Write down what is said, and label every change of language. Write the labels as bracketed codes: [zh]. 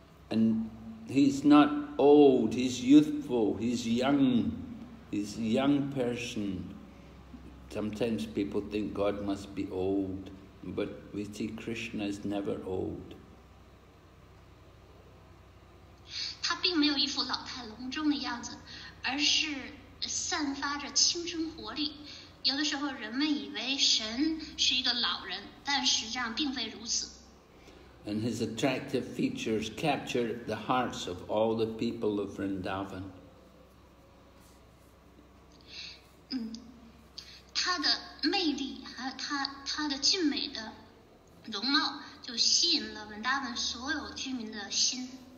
[en] And he's not old, he's youthful, he's a young person. Sometimes people think God must be old, but we see Krishna is never old. [zh] 他并没有一副老态龙钟的样子，而是散发着青春活力。有的时候人们以为神是一个老人，但实际上并非如此。 [en] And his attractive features captured the hearts of all the people of Vrindavan. [zh] 他的魅力和他的俊美的容貌就吸引了 Vrindavan 所有居民的心。